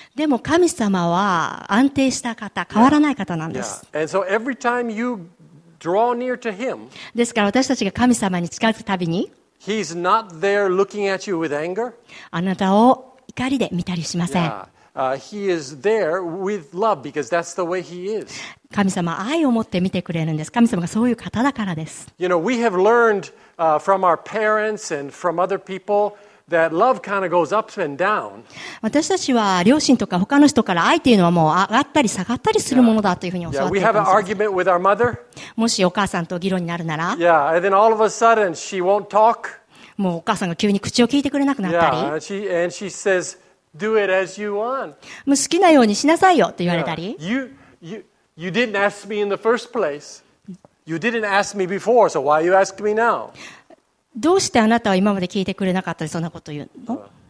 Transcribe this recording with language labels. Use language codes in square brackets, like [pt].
[ja] でも神様は安定した方、変わらない方なんです。 [en] Yeah. And so every time you draw near to him, [ja] ですから私たちが神様に近づくたびに、 [en] He's not there looking at you with anger. [ja] あなたを怒りで見たりしません。 [en] Yeah. He is there with love because that's the way he is. [ja] 神様は愛を持って見てくれるんです。神様がそういう方だからです。 [en] You know, we have learned, from our parents and from other people that love kind of goes up and down. [ja] 私たちは両親とか他の人から愛というのはもう上がったり下がったりするものだというふうに教わって [en] we have an argument with our mother. [ja] もしお母さんと議論になるなら。 [en] Yeah, and then all of a sudden she won't talk. [ja] もうお母さんが急に口を聞いてくれなくなったり。 [en] Yeah, and she says,Do it as you want. [ja] もう好きなようにしなさいよと言われたり。 [en] Yeah. You didn't ask me in the first place. You didn't ask me before, so why are you asking me now? [ja] どうしてあなたは今まで聞いてくれなかったりそんなこと言うの？